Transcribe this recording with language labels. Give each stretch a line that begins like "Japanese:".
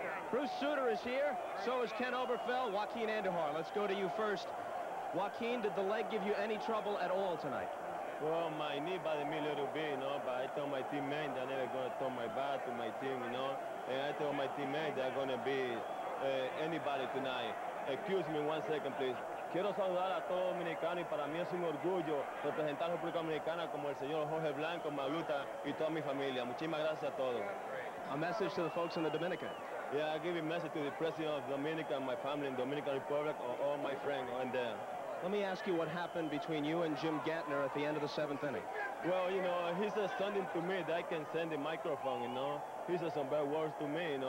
English: Bruce Sutter is here. So is Ken Oberfell, Joaquin Andujar. Let's go to you first. Joaquin, did the leg give you any trouble at all tonight? Well, my knee bothered me a little bit, you know, but I told my teammate that I'm never going to turn my back to my team, you know. And I told my teammate that I'm going to be anybody tonight. Excuse me 1 second, please.
Spanish: Quiero saludar a todo dominicano y para mí es un orgullo representar a la República Dominicana como el señor Jorge Blanco, Maluta y toda mi familia. Muchísimas gracias a todos.
English: A message to the folks in the Dominican. Yeah, I give a message to the president of Dominica, my family in Dominican Republic, or all my friends and there. Let me ask you what happened between you and Jim Gantner at the end of the seventh inning. Well, you know, he said something to me that I can send the microphone, you know. He said some bad words to me, you know.